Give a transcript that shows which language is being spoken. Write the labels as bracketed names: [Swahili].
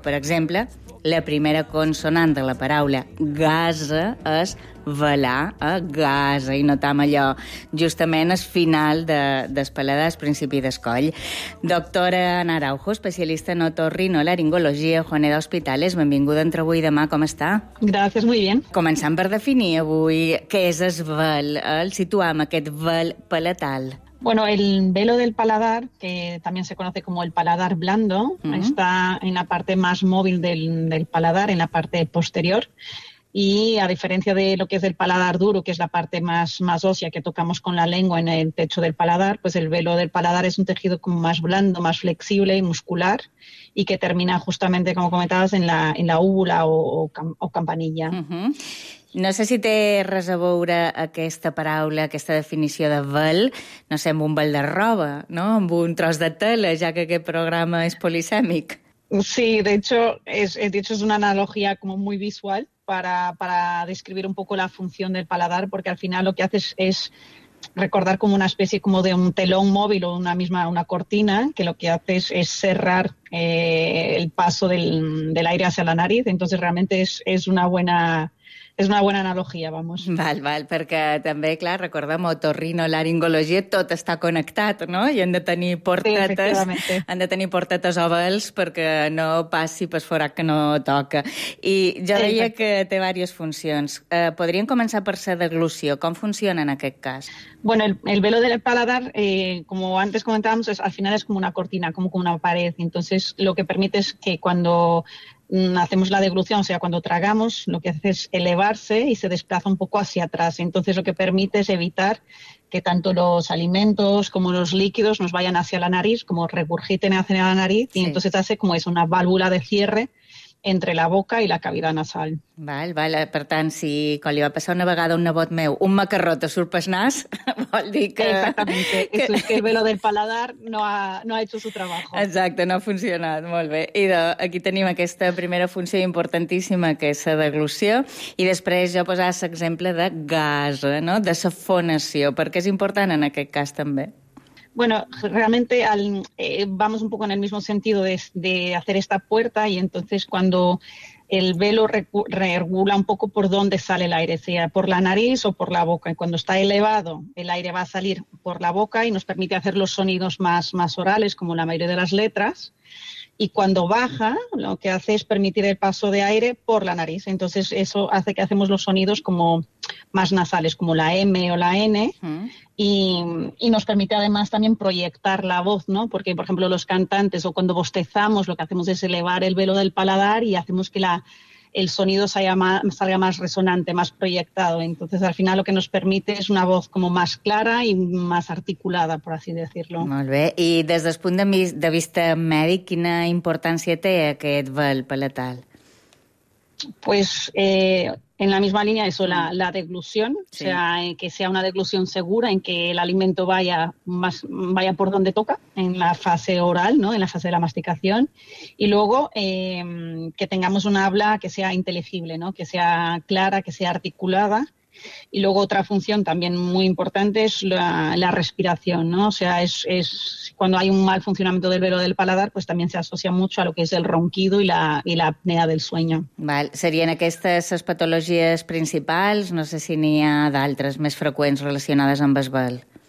[Catalan] Per exemple, la primera consonant de la paraula gasa és velar, gasa, i notam allò justament al final d'espel·lada, al principi d'escoll. Doctora Ana Araujo, especialista en otorrinolaringologia, Juaneda Hospitales, benvinguda entre avui i demà, com està? Gràcies, molt bé. Començant per definir avui què és el vel, el situam aquest vel paletal. [Spanish] Bueno, el velo del paladar, que también se conoce como el paladar blando, uh-huh. está en la parte más móvil del paladar, en la parte posterior. Y a diferencia de lo que es el paladar duro, que es la parte más ósea que tocamos con la lengua en el techo del paladar, pues el velo del paladar es un tejido como más blando, más flexible y muscular, y que termina justamente, como comentabas, en la úvula o campanilla. Uh-huh. [Catalan] No sé si té res a veure aquesta paraula, aquesta definició de vel, no sé, amb un vel de roba, no? Amb un tros de tela, ja que aquest programa és polisèmic. [Spanish] Sí, de hecho, es una analogía como muy visual para describir un poco la función del paladar, porque al final lo que haces es recordar como una especie como de un telón móvil o una cortina, que lo que haces es cerrar el paso del aire hacia la nariz. Entonces, realmente [Catalan] és una bona analogia, [Spanish] vamos. [Catalan] Val, perquè també, clar, recordem, otorrinolaringologia, tot està connectat, no? I han de tenir portetes, sí, efectivament. Han de tenir portetes o vels perquè no passi pel forat que no toca. I jo deia que té diverses funcions. Podríem començar per ser deglució. Com funciona en aquest cas? [Spanish] Bueno, el velo del paladar, como antes comentábamos, al final es como una cortina, como una pared. Entonces, lo que permite es que cuando hacemos la deglución, o sea, cuando tragamos, lo que hace es elevarse y se desplaza un poco hacia atrás. Entonces, lo que permite es evitar que tanto los alimentos como los líquidos nos vayan hacia la nariz, como regurgiten hacia la nariz, sí. Y entonces hace como es una válvula de cierre entre la boca [Catalan] i la cavitat nasal. Val. Per tant, si quan li va passar una vegada un nebot meu un macarró te surt pel nas, vol dir que... [Spanish] Exactamente. Eso es que el velo del paladar no ha hecho su trabajo. [Catalan] Exacte, no ha funcionat. Molt bé. Idò, aquí tenim aquesta primera funció importantíssima, que és la deglució, i després jo posava l'exemple de gas, no? De la fonació. Per què és important en aquest cas també? [Spanish] Bueno, realmente vamos un poco en el mismo sentido de hacer esta puerta, y entonces cuando el velo regula un poco por dónde sale el aire, sea por la nariz o por la boca, y cuando está elevado el aire va a salir por la boca y nos permite hacer los sonidos más orales, como la mayoría de las letras, y cuando baja lo que hace es permitir el paso de aire por la nariz, entonces eso hace que hacemos los sonidos como más nasales, como la M o la N, y nos permite además también proyectar la voz, ¿no? Porque, por ejemplo, los cantantes o cuando bostezamos, lo que hacemos es elevar el velo del paladar y hacemos que el sonido salga más resonante, más proyectado. Entonces, al final, lo que nos permite es una voz como más clara y más articulada, por así decirlo. [Catalan] Molt bé. I des del punt de vista mèdic, quina importància té aquest vel paletal? [Spanish] Pues... En la misma línea, eso, la deglución, sí. O sea, que sea una deglución segura, en que el alimento vaya por donde toca, en la fase oral, ¿no? En la fase de la masticación. Y luego, que tengamos una habla que sea inteligible, ¿no? Que sea clara, que sea articulada. Y luego otra función también muy importante es la respiración, ¿no? O sea, es cuando hay un mal funcionamiento del velo del paladar, pues también se asocia mucho a lo que es el ronquido y la apnea del sueño. Vale. [Catalan] Serien aquestes les patologies principals? No sé si n'hi ha d'altres més freqüents relacionades amb el vel.